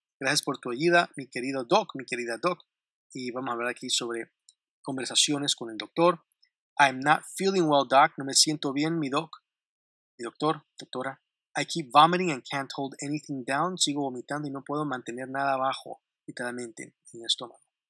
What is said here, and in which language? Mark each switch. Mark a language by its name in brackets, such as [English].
[Spanish] Gracias por tu ayuda, mi querido Doc, mi querida Doc. Y vamos a hablar aquí sobre conversaciones con el doctor. [English] I'm not feeling well, Doc. [Spanish] No me siento bien, mi Doc. [English] Doctor, doctora, I keep vomiting and can't hold anything down. [Spanish] Sigo vomitando y no puedo mantener nada abajo, literalmente, en el estómago.